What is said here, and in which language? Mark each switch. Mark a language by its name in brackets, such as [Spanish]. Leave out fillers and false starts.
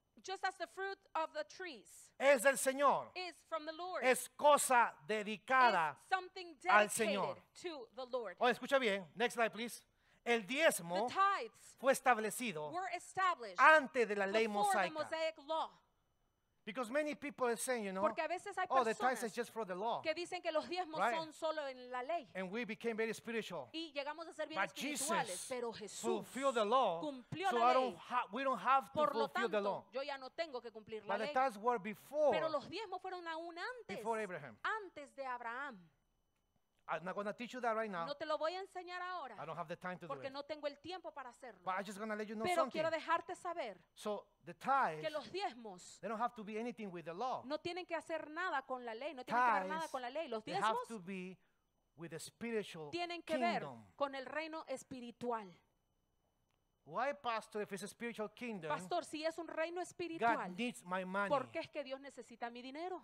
[English] just as the fruit of the trees, [Spanish] es del Señor. [English] Is from the Lord. [Spanish] Es cosa dedicada [English] is something dedicated [Spanish] al Señor. [English] To the Lord. Oh, [Spanish] escucha bien. [English] Next slide, please. [Spanish] El diezmo fue establecido antes de la ley mosaica. [English] Because many people are saying, you know, [Spanish] porque a veces hay [English] oh, the tithes is just for the law. [Spanish] Que dicen que los diezmos [English] right? [Spanish] son solo en la ley. [English] And we became very spiritual. [Spanish] Y llegamos a ser bien [English] but [Spanish] espirituales. [English] Jesus [Spanish] pero Jesús [English] fulfilled the law, [Spanish] cumplió [English] so [Spanish] la ley. [English] I don't we don't have [Spanish] por [English] to fulfill the law. [Spanish] Yo ya no tengo que cumplir [English] but [Spanish] la ley. [English] The tithes were before, [Spanish] pero los diezmos fueron aún antes. [English] Before Abraham. [Spanish] Antes de Abraham. [English] I'm not going to teach you that right now. [Spanish] No te lo voy a enseñar ahora. [English] I don't have the time to do it. [Spanish] Porque no tengo el tiempo para hacerlo. [English] But I'm just going to let you know [Spanish] pero [English] something. [Spanish] Quiero dejarte saber [English] so the tithes, [Spanish] que los diezmos, [English] they don't have to be anything with the law. [Spanish] No tienen que hacer nada con la ley. No [English] tithes, [Spanish] tienen que ver nada con la ley. Los diezmos, [English] they have to be with the spiritual [Spanish] tienen que ver [English] kingdom. [Spanish] Con el reino espiritual. [English] Why, pastor, if it's a spiritual kingdom, [Spanish] pastor, si es un reino espiritual, [English] God needs my money. [Spanish] ¿Por qué es que Dios necesita mi dinero?